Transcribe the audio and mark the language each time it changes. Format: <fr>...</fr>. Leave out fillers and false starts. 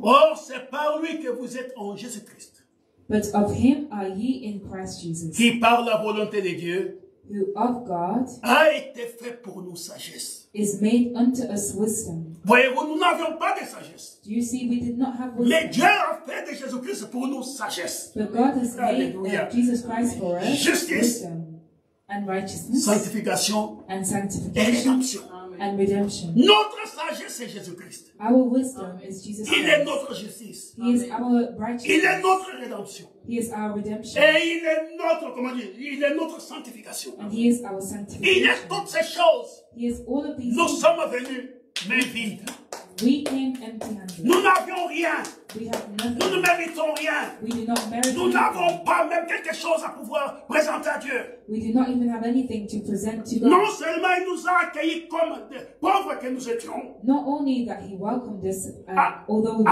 <fr>Or c'est par lui que vous êtes en Jésus Christ.</fr> <en>But of him are ye in Christ Jesus.</en> <fr>Qui par la volonté de Dieu.</fr> <en>Who of God</en> <fr>a été fait pour nous sagesse.</fr> <en>Is made unto us wisdom.</en> <fr>Voyez-vous, nous n'avions pas de sagesse.</fr> <en>Do you see, we did not have wisdom.</en> <fr>Mais Dieu a fait de Jésus-Christ pour nous sagesse.</fr> <en>But God has made Jesus Christ for us</en> <fr>justice,</fr> <en>wisdom and righteousness.</en> <fr>Sanctification.</fr> <en>And sanctification.</en> <fr>Et rédemption.</fr> <en>And redemption.</en> <fr>Notre sagesse est Jésus-Christ.</fr> <en>Our wisdom is Jesus Christ.</en> <fr>Il est notre justice.</fr> <en>He is our righteousness.</en> <fr>Il est notre rédemption.</fr> <en>He is our redemption.</en> <fr>Et il est notre, comment dire, il est notre sanctification.</fr> <en>And he is our sanctification.</en> <fr>Il est toutes ces choses.</fr> <en>He is all of these.</en> <fr>Nous sommes venus, mais vides.</fr> <en>We came empty-handed.</en> <fr>Nous n'avions rien.</fr> <en>We have nothing.</en> <fr>Nous ne méritons rien.</fr> <en>We do not merit.</en> <fr>Nous n'avons pas même quelque chose à pouvoir présenter à Dieu.</fr> <en>We do not even have anything to present to God.</en> <fr>Non seulement il nous a accueillis comme des pauvres que nous étions.</fr> <en>Not only that he welcomed us, although we were</en>